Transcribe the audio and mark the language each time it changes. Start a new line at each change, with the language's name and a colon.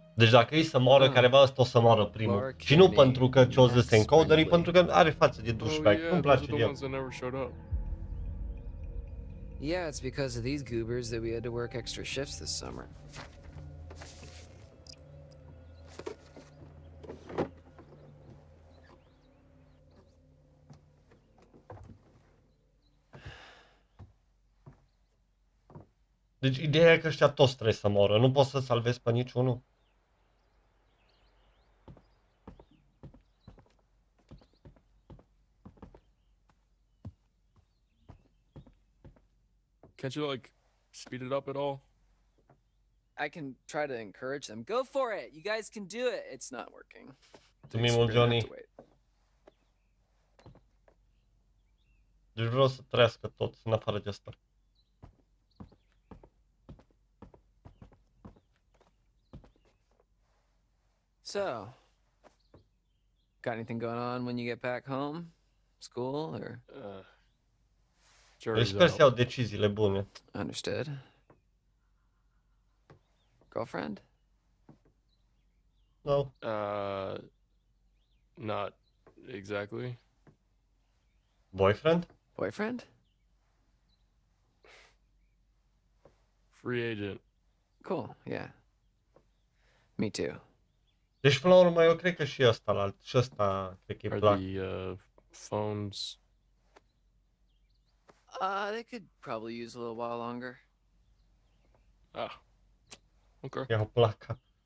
Romanian: Deci dacă e să moară, careva ăsta o să moară primul. Și nu pentru că ce-o zis Encoder, e pentru că are față de douchebag. Nu-mi place de el.
English: Yeah, it's because of these goobers that we had to work extra shifts this summer.
Romanian: Deci ideea e că ăștia toți trebuie să moară, nu poți să salvezi pe niciunul.
English: Can't you like speed it up at all? I can try to encourage them. Go for it. You guys can do it. It's not working. To me, well, Johnny.
Romanian: Deci vreau să trăiască toți în afară de asta.
English: So, got anything going on when you get back home? School or?
Romanian: Eu sper să iau deciziile bune.
English: Understood. Girlfriend? No. Not exactly. Boyfriend? Boyfriend? Free agent. Cool, yeah. Me too.
Romanian: Deci, până la urmă, eu cred că și ăsta, la alt, și ăsta, cred că-i plac.
English: Are the phones... They could probably use a little while longer. Ah. Okay. Yeah, black.